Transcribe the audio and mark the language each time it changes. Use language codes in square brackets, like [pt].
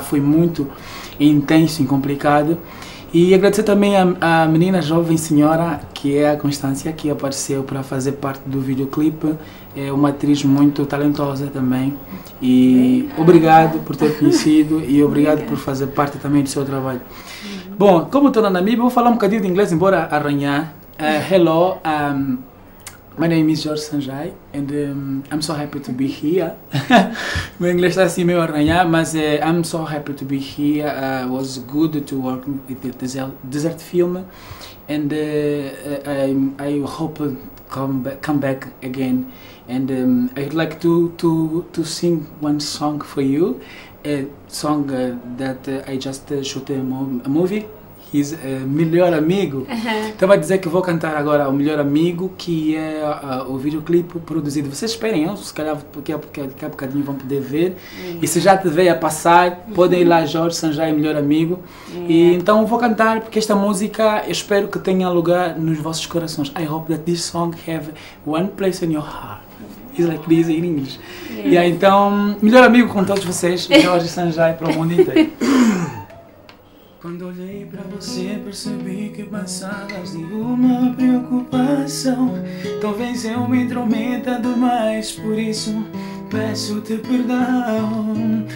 [pt] Foi muito intenso e complicado. E agradecer também à menina jovem senhora, que é a Constância, que apareceu para fazer parte do videoclipe. É uma atriz muito talentosa também. E obrigado por ter conhecido e obrigado por Obrigada. fazer parte também do seu trabalho. Bom, como estou na Namíbia, vou falar um bocadinho de inglês, embora arranhar. [en] Hello, my name is George Sanjay and I'm so happy to be here. [pt] Meu inglês está assim meio arranhado, mas [en] I'm so happy to be here. Was good to work with the Desert Film and I hope come back again. And I'd like to sing one song for you, a song that I just shot a movie. He's Melhor Amigo. [pt] Estava a dizer que vou cantar agora o Melhor Amigo, que é o videoclipe produzido. Vocês esperem, se calhar daqui a bocadinho vão poder ver. E se já tiver a passar, podem ir lá, Jorge Sanjay, Melhor Amigo. E então vou cantar, porque esta música eu espero que tenha lugar nos vossos corações. [en] I hope that this song have one place in your heart. It's like this in English. [pt] E yeah, então, Melhor Amigo com todos vocês, Jorge Sanjay, para o mundo inteiro. Quando olhei para você, percebi que passavas de uma preocupação. Talvez eu me intrometa demais, por isso peço-te perdão.